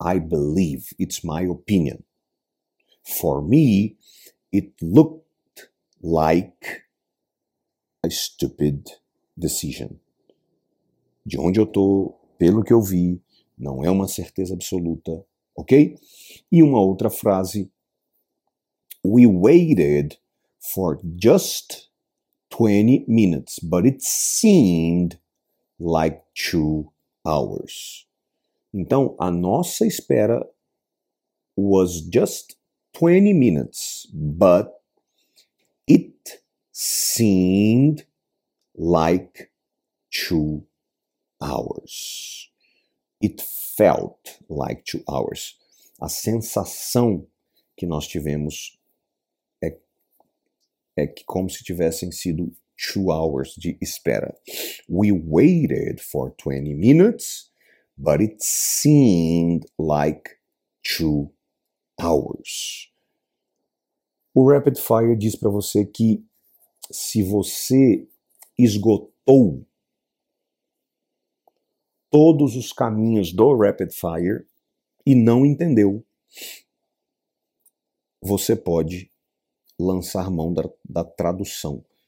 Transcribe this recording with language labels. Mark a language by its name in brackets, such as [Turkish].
[English] I believe it's my opinion. For me, it looked like a stupid decision. [Portuguese] De onde eu tô, pelo que eu vi, não é uma certeza absoluta, ok? E uma outra frase. [English] We waited for just 20 minutes, but it seemed like 2 hours. [Portuguese] Então, a nossa espera [English] was just 20 minutes, but it seemed like 2 hours. It felt like 2 hours. [Portuguese] A sensação que nós tivemos é que como se tivessem sido [English] 2 hours [Portuguese] de espera. [English] We waited for 20 minutes, but it seemed like 2 hours. [Portuguese] O Rapid Fire diz para você que se você esgotou apontou todos os caminhos do rapid fire e não entendeu, você pode lançar mão da tradução.